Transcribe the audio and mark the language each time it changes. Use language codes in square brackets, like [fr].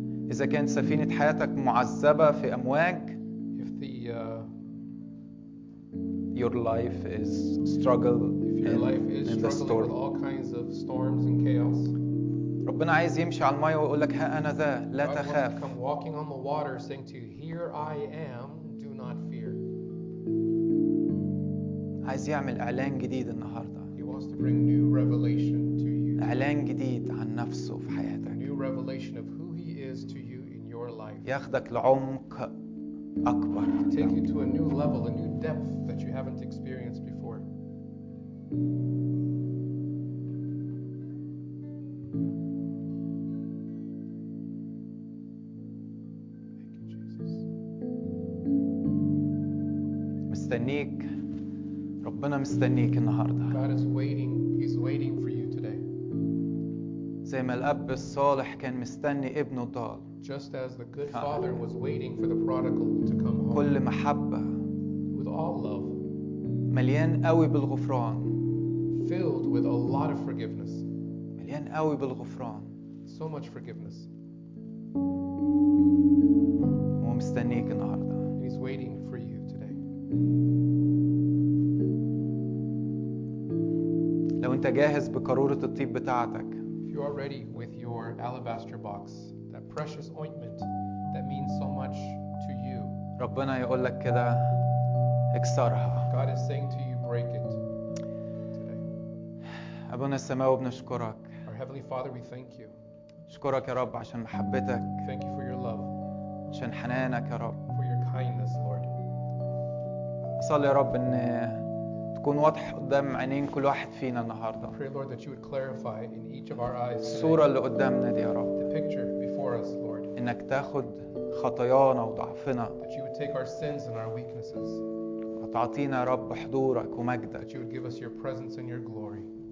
[ar] إذا كان سفينة حياتك معذبة في أمواج، [en] if the, your life is struggle if your life is in the storm. With all kinds of storms and chaos. [ar] ربنا عايز يمشي على الماء ويقول لك ها أنا ذا لا تخاف. [en] Come walking on the water saying to you, here I am, do not fear. [ar] عايز يعمل إعلان جديد النهاردة. [en] He wants to bring new revelation to you. [ar] إعلان جديد عن نفسه في حياتك. [en] A new revelation of who He is to you in your life. [ar] ياخدك لعمق أكبر. [en] Take you to a new level, a new depth that you haven't experienced before. [ar] مستنيك ربنا مستنيك النهاردة. [en] God is waiting. He's waiting for you today. [ar] زي ما الأب الصالح كان مستني ابنه الضال. [en] Just as the good father was waiting for the prodigal to come home. [ar] كل محبة. [en] With all love. [ar] مليان قوي بالغفران. [en] Filled with a lot of forgiveness. [ar] مليان قوي بالغفران. [en] So much forgiveness. [ar] ومستنيك النهاردة. [en] He's waiting for you. [ar] لو انت جاهز بقارورة الطيب بتاعتك. [en] If you are ready with your alabaster box, that precious ointment that means so much to you. [ar] ربنا يقول لك كده اكسرها. [en] God is saying to you, break it today. [ar] أبونا السماوي بنشكرك. [en] Our heavenly Father, we thank you. [ar] شكرك يا رب عشان محبتك. [en] Thank you for your love. [ar] عشان حنانك يا رب. [en] For your kindness, Lord. [ar] صلي يا رب ان تكون واضح قدام عينين كل واحد فينا النهاردة. [en] Pray, Lord, that you would clarify in each of our eyes. [ar] الصورة اللي قدامنا دي يا رب. [en] The picture before us, Lord. [ar] انك تاخد خطايانا وضعفنا. [en] That you would take our sins and our weaknesses. [ar] وتعطينا يا رب حضورك ومجدك. [en] That you would give us your presence and your glory.